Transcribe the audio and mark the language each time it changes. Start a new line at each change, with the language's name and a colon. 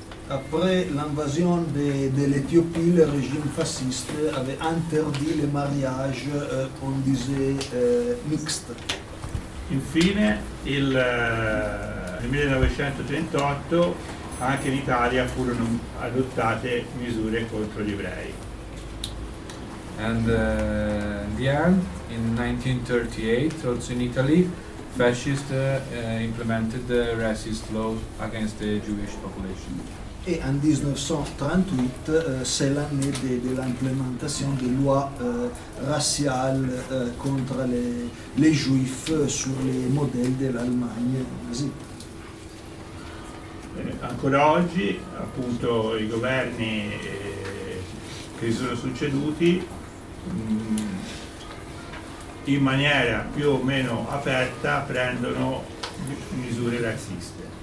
French: Après l'invasion de l'Éthiopie, le régime fasciste avait interdit les mariages, on disait, mixtes.
Italian: Infine, il 1938, anche in Italia furono adottate misure contro gli ebrei.
English: And in the end, in 1938, also in Italy, fascists implemented the racist laws against the Jewish population.
French: Et en 1938, c'est l'année de l'implémentation des lois raciales contre les juifs sur les modèles de l'Allemagne nazie.
Italian: Ancora oggi, appunto, i governi che si sono succeduti in maniera più o meno aperta prendono misure razziste.